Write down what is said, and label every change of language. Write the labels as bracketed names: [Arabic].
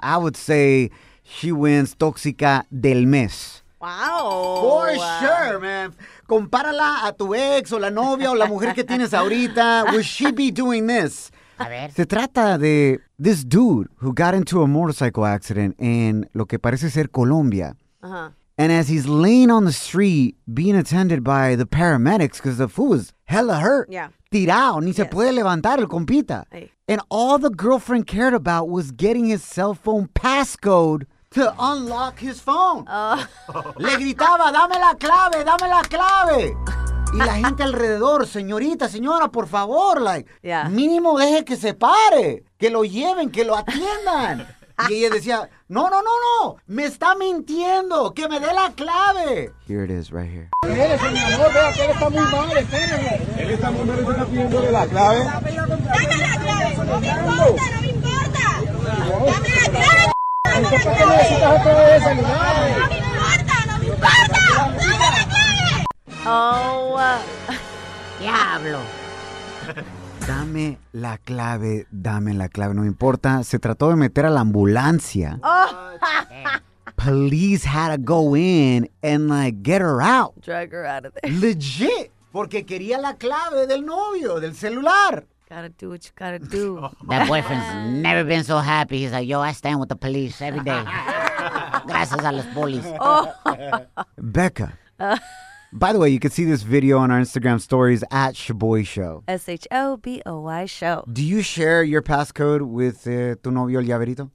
[English] I would say she wins [Spanish] tóxica del mes. [English] Wow. For sure, man. [Spanish] Compárala a tu ex o la novia o la mujer que tienes ahorita. [English] Would she be doing this? [Spanish] A ver. Se trata de [English] this dude who got into a motorcycle accident in [Spanish] lo que parece ser [English] Colombia. Uh-huh. And as he's laying on the street being attended by the paramedics because the fool was hella hurt. Yeah. [Spanish] Tirado, ni se puede levantar el compita. [English] Hey. And all the girlfriend cared about was getting his cell phone passcode to unlock his phone. [Spanish] Le gritaba, dame la clave, dame la clave. Y la gente alrededor, señorita, señora, por favor, like, yeah. Mínimo deje que se pare, que lo lleven, que lo atiendan. Y ella decía, no, me está mintiendo, que me dé la clave. [English] Here it is, right here. [Spanish] Él está muy mal, espérenme. Él está muy mal, está pidiéndole la clave. Dame la clave, no me importa, no me importa. Dame la clave. Diablo. Dame la clave, dame la clave. No me importa. Se trató de meter a la ambulancia. [English] Police had to go in and like get her out. Drag her out of there. Legit. [Spanish] Porque quería la clave del novio, del celular. [English] Gotta do what you gotta do. That boyfriend's never been so happy. He's like, yo, I stand with the police every day. [Spanish] Gracias a los polis. [English] Becca. By the way, you can see this video on our Instagram stories at Sha'Boy Show. Sha'Boy Show. Do you share your passcode with [Spanish] tu novio, el llaverito?